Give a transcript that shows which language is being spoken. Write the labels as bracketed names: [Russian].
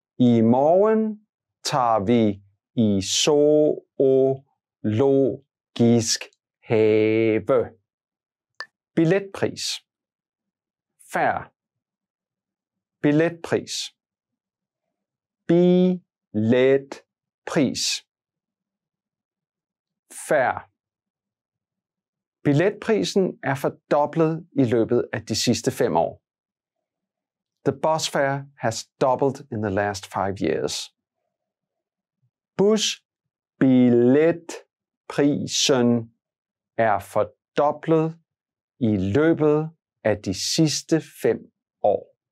[Danish] I morgen tager vi i zoologisk have. Billetpris. Fair. Billetpris. Billetpris. [English] Fair. [Danish] Billetprisen er fordoblet i løbet af de sidste 5 år. [English] The bus fare has doubled in the last 5 years. [Danish] Busbilletprisen er fordoblet i løbet af de sidste 5 år.